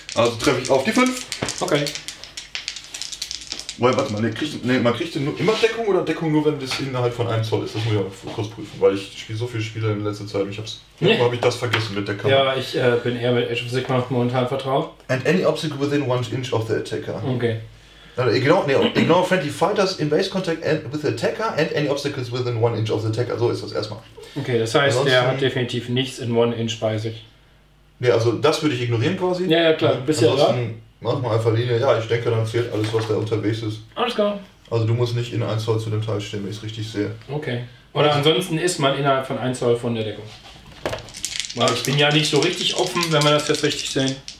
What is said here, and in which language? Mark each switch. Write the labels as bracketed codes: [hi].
[de] Also treffe ich auf die 5. Okay. Warte mal, man kriegt immer Deckung oder Deckung nur, wenn das innerhalb von 1 Zoll ist? Das muss ich auch kurz prüfen, weil ich spiele so viele Spiele in letzter Zeit und habe ich das vergessen mit der Kamera. Ja, ich bin eher mit Age of Sigmar momentan vertraut. [en] And any obstacle within 1 inch of the attacker. [de] Okay. [en] Ignore friendly fighters in base contact and with the attacker and any obstacles within 1 inch of the attacker. [de] So ist das erstmal. Okay, das heißt, ansonsten, der hat definitiv nichts in 1 inch bei sich. Ne, also das würde ich ignorieren quasi. Ja, ja, klar, bist ja da. Mach mal einfach Linie. Ja, ich denke, dann zählt alles, was da unterwegs ist. Alles klar. Also du musst nicht in 1 Zoll zu dem Teil stehen, wenn ich es richtig sehe. Okay. Oder also, ansonsten ist man innerhalb von 1 Zoll von der Deckung. Weil ich bin ja nicht so richtig offen, wenn wir das jetzt richtig sehen.